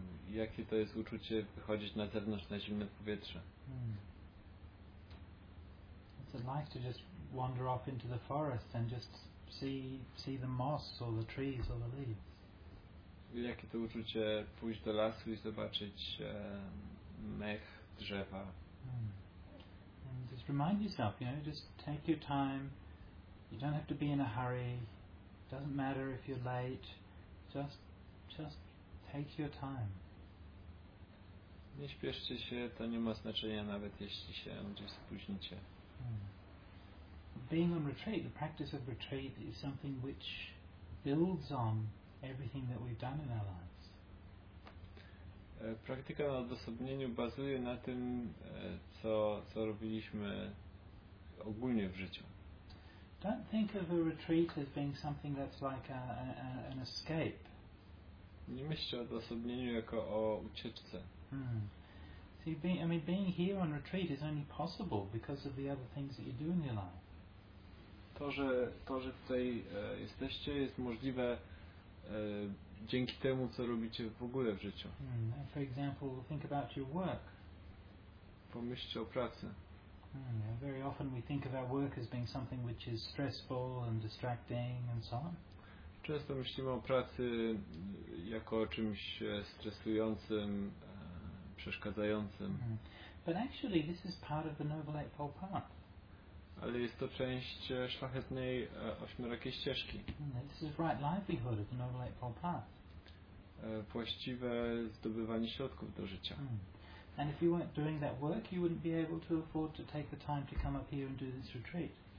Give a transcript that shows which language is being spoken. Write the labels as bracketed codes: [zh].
[pl] Jakie to jest uczucie wychodzić na zewnątrz, na zimne powietrze? [en] What's it like to just wander off into the forest and just see the moss or the trees or the leaves? [pl] Jakie to uczucie pójść do lasu i zobaczyć mech drzewa? [en] And just remind yourself, you know, just take your time. You don't have to be in a hurry. It doesn't matter if you're late. Just take your time. [pl] Nie śpieszcie się, to nie ma znaczenia, nawet jeśli się gdzieś spóźnicie. [en] Being on retreat, the practice of retreat is something which builds on everything that we've done in our lives. [pl] Praktyka na odosobnieniu bazuje na tym, co robiliśmy ogólnie w życiu. [en] Don't think of a retreat as being something that's like an escape. [pl] Nie myślcie o odosobnieniu jako o ucieczce. [en] See, being here on retreat is only possible because of the other things that you do in your life. [pl] To, że tutaj jesteście, jest możliwe dzięki temu, co robicie w ogóle w życiu. [en] For example, think about your work. [pl] Pomyślcie o pracy. [en] Very often we think of our work as being something which is stressful and distracting and so on. [pl] Często myślimy o pracy jako o czymś stresującym, przeszkadzającym. [en] But actually this is part of the Noble Eightfold Path. [pl] Ale jest to część szlachetnej ośmiorakiej ścieżki. [en] This is right livelihood of the Noble Eightfold Path. [pl] Właściwe zdobywanie środków do życia. [en] And if you weren't doing that work, you wouldn't be able to afford to take the time to come up here and do this retreat.